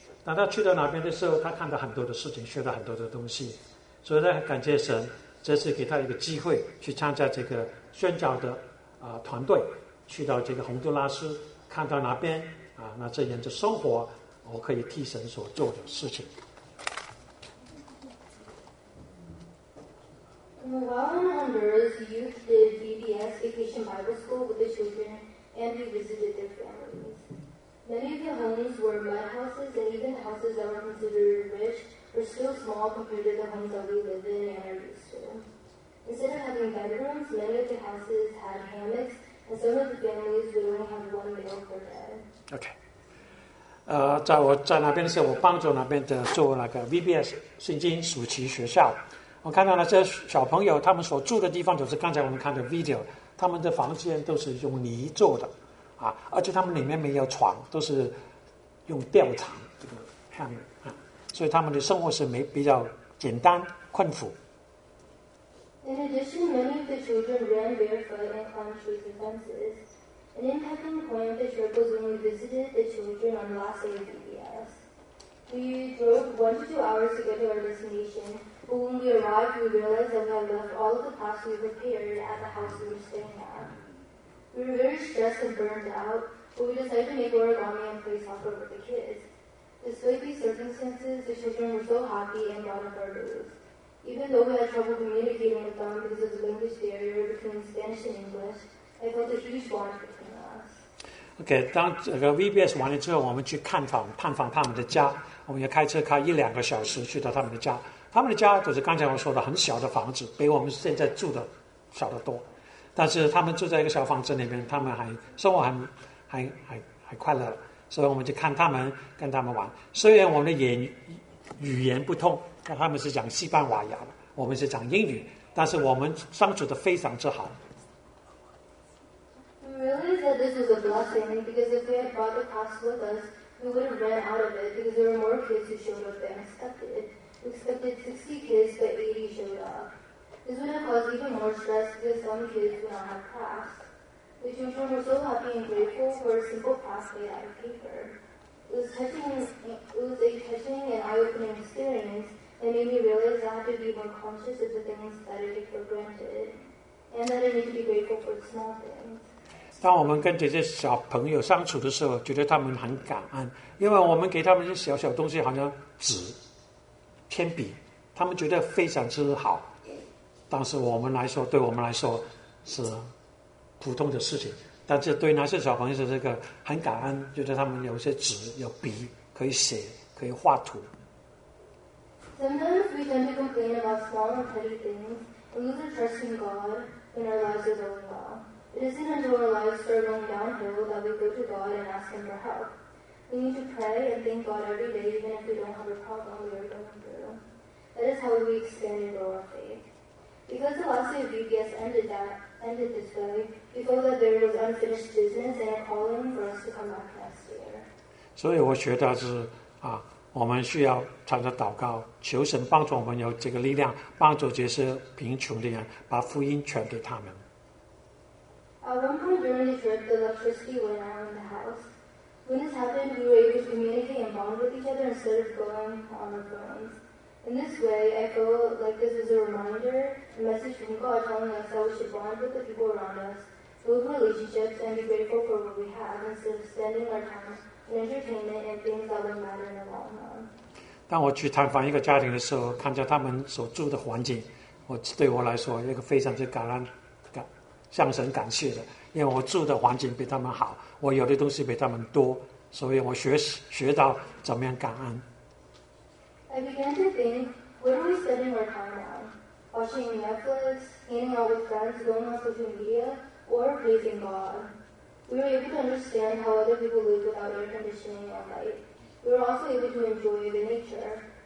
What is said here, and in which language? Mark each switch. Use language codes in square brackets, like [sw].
[zh] 当他去到那边的时候，他看到很多的事情，学到很多的东西，所以呢，感谢神。这次给他一个机会去参加这个宣教的团队，去到这个洪都拉斯，看到那边那这样的生活，我可以替神所做的事情。 [en] While in Honduras, youth did VBS Vacation Bible School with the children, and we visited their families. Many of the homes were mud houses, and even houses that were considered rich were still small compared to the homes that we live in and are used to. Instead of having bedrooms, many of the houses had hammocks, and some of the families would only have one meal per day. Okay. [zh] 在我在那边的时候，我帮助那边的做那个 VBS 圣经暑期学校。我看到了这小朋友他们所住的地方，就是刚才我们看的 video， 他们的房间都是用泥做的，而且他们里面没有床，都是用吊床这个 hammock， 所以他们的生活是没比较简单困苦。 [en] In addition, many of the children ran barefoot and climbed trees and fences. An impacting point of the trip was when we visited the children on the last day of VBS. We drove 1 to 2 hours to get to our destination, but when we arrived, we realized that we had left all of the pots we prepared at the house we were staying at. We were very stressed and burned out, but we decided to make origami and play soccer with the kids. Despite these circumstances, the children were so happy and brought up our booze. Even though we had trouble communicating with them because of the language barrier between Spanish and English, I felt a huge bond between them. [zh] OK， 当这个 VBS 完了之后，我们去探访他们的家。我们要开车开一两个小时去到他们的家。他们的家就是刚才我说的很小的房子，比我们现在住的小得多。但是他们住在一个小房子里面，他们还生活还快乐。所以我们就看他们，跟他们玩。虽然我们的语言不通，他们是讲西班牙语，我们是讲英语，但是我们相处得非常之好。 [en] We realized that this was a blessing because if we had brought the pots with us, we would have ran out of it because there were more kids who showed up than expected. We expected 60 kids, but 80 showed up. This would have caused even more stress because some kids would not have pots. The children were so happy and grateful for a simple pot made out of paper. It was a touching and eye-opening experience that made me realize I had to be more conscious of the things that I take for granted and that I need to be grateful for the small things. [zh] 当我们跟这些小朋友相处的时候，觉得他们很感恩，因为我们给他们一些小小东西，好像纸、铅笔，他们觉得非常之好。但是我们来说，对我们来说是普通的事情，但是对那些小朋友是这个很感恩，觉得他们有些纸、有笔，可以写，可以画图。 [en] Sometimes we tend to complain about small and petty things and lose our trust in God when our lives are going well. It isn't until our lives start going downhill that we go to God and ask Him for help. We need to pray and thank God every day, even if we don't have a problem we are going through. That is how we expand and grow our faith. Because the last day of VBS ended this way, we felt that there was unfinished business and a calling for us to come back next year. [zh] 所以我学到是啊。我们需要常常祷告，求神帮助我们有这个力量，帮助这些贫穷的人，把福音传给他们。 [en] At one point during the trip, the electricity went out in the house. When this happened, we were able to communicate and bond with each other instead of going on our phones. In this way, I feel like this is a reminder, a message from God telling us that we should bond with the people around us, build relationships, and be grateful for what we have instead of spending our time in entertainment and things that don't matter in the long run. [zh] 当我去探访一个家庭的时候，看见他们所住的环境，对我来说，一个非常之感恩。向神感谢的，因为我住的环境比他们好，我有的东西比他们多，所以我学到怎么样感恩。 [en] I began to think, what are we spending our time on? Watching Netflix, hanging out with friends, going on social media, or praising God? We were able to understand how other people live without air conditioning or light. We were also able to enjoy the nature.